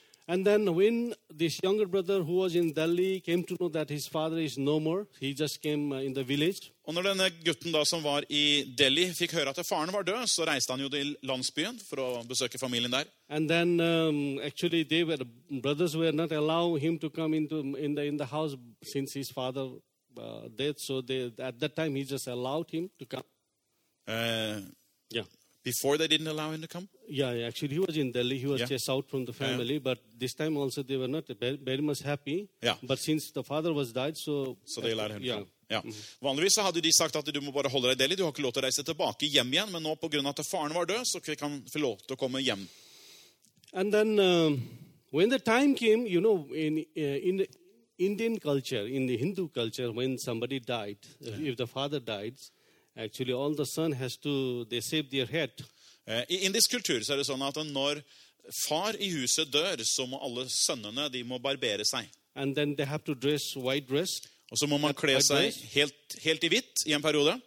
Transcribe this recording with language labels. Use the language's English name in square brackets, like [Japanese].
[English] And then when this younger brother who was in Delhi came to know that his father is no more, he just came in the village. [Norwegian] Og når denne gutten da som var I Delhi fikk høre at faren var død, så reiste han jo til landsbyen for å besøke familien der. [English] And then actually they were, the brothers were not allow him to come into in the house since his father dead, so they at that time he just allowed him to come. Before they didn't allow him to come? Yeah, actually he was in Delhi. He was chased out from the family. Yeah. But this time also they were not very much happy. Yeah. But since the father was died, so... So they allowed him to come. Yeah. Mm-hmm. [Norwegian] Vanligvis så hadde de sagt at du må bare holde deg I Delhi. Du har ikke lov til å reise tilbake hjem igjen. Men nå på grunn av at faren var død, så fikk han få lov til å komme hjem. [English] And then when the time came, you know, in the Indian culture, in the Hindu culture, when somebody died, if the father died... Actually, all the son has to, they save their head. [Norwegian] I indisk kultur så det sånn at når far I huset dør, så må alle sønnene, de må barbere seg. [English] And then they have to dress white dress. [Norwegian] Og så må man klæ seg helt I hvitt I en periode.